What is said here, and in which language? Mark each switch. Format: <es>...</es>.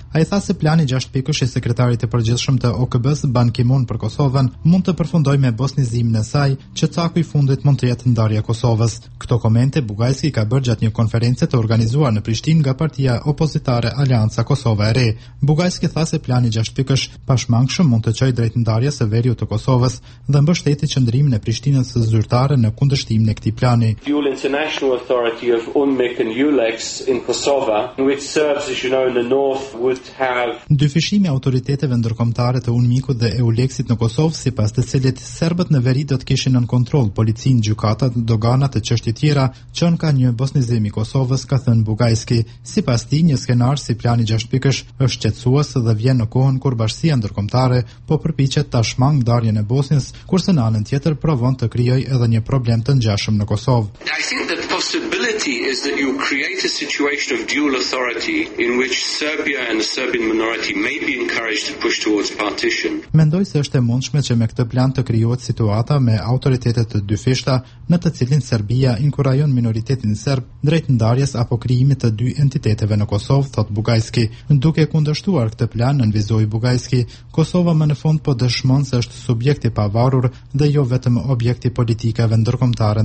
<sq>Ai tha se plani 6 pikësh i sekretarit të përgjithshëm të OKB-s Ban Ki-moon për Kosovën mund të përfundojë me bosnjizimin e saj, që caku i fundit mund të jetë ndarja e Kosovës. Këto komente Bugajski ka bërë gjatë një konference të organizuar në Prishtinë nga partia opozitare Alianca Kosova e Re. Bugajski tha se plani 6 pikësh pashmangshëm mund të çojë drejt ndarjes së veriut të Kosovës dhe mbështetë qëndrimin e Prishtinës së zyrtare në kundërshtim me plani.</sq> <en>The UL International Authority of UNMIK and ULEX in Kosovo, which serves as you know in the north, would have</en> <sq>dyfishimi autoriteteve ndërkombëtare të UNMIK-ut dhe EULEX-it në Kosovë, sipas të cilit serbët në veri do të kishin nën kontroll policinë, gjykatat, doganat e çështje të tjera, qen ka një bosnjizim i Kosovës, ka thënë Bugajski. Sipas tij, një skenar si plani 6 pikësh është shqetësues dhe vjen në kohën kur bashkësia ndërkombëtare po përpiqet tashmang ndarjen e Bosnjës, kurse në anën tjetër provon të krijojë edhe një problem të në Kosovë.</sq> <en>I think the possibility is that you create a situation of dual authority in which Serbia and the Serbian minority may be encouraged to push towards partition.</en> <sq>Mendoj se është e mundshme që me këtë plan të krijohet situata me autoritete të dyfishta, në të cilin Serbia inkurajon minoritetin serb drejt ndarjes apo krijimit të dy entiteteve në Kosovë, thot Bugajski. Duke kundërshtuar këtë plan, nënvizoi Bugajski, Kosova më në fund po dëshmon se është subjekt i pavarur dhe jo vetëm objekt i politikave ndërkombëtare.</sq>